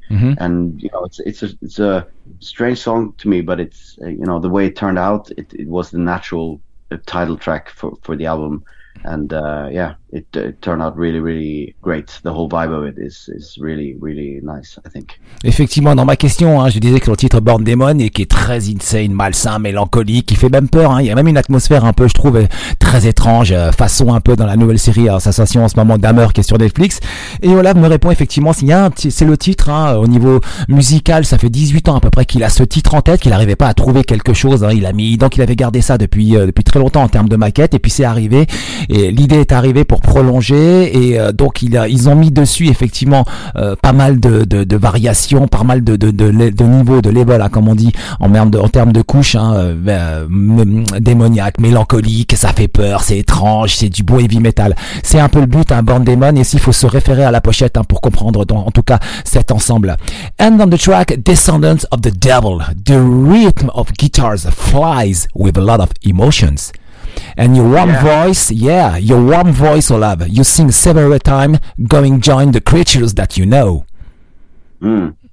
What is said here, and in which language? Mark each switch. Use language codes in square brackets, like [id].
[en] Mm-hmm. And you know, it's a strange song to me, but it's, you know, the way it turned out, it was the natural title track for the album. And yeah, it turned out really, really great. The whole vibe of it is really, really nice, I think. [fr] Effectivement, dans ma question, hein, je disais que le titre Born Demon, et qui est très insane, malsain, mélancolique, qui fait même peur, hein. Il y a même une atmosphère un peu, je trouve, très étrange, façon un peu dans la nouvelle série, hein, Sensation en ce moment, Dahmer, qui est sur Netflix. Et Olaf me répond effectivement, c'est le titre, hein, au niveau musical, ça fait 18 ans à peu près qu'il a ce titre en tête, qu'il n'arrivait pas à trouver quelque chose, hein. Donc il avait gardé ça depuis très longtemps en termes de maquette, et puis c'est arrivé, et l'idée est arrivée pour prolonger, et donc ils ont mis dessus effectivement pas mal de variations, pas mal de niveaux, de level, hein, comme on dit en termes de couches, hein, démoniaque, mélancolique, ça fait peur, c'est étrange, c'est du beau heavy metal, c'est un peu le but, hein, Born Demon, et s'il faut se référer à la pochette, hein, pour comprendre en tout cas cet ensemble. [en] And on the track Descendants of the Devil, the rhythm of guitars flies with a lot of emotions. And your warm voice, yeah, your warm voice, Olav, you sing several times, going join the creatures that you know. Mm.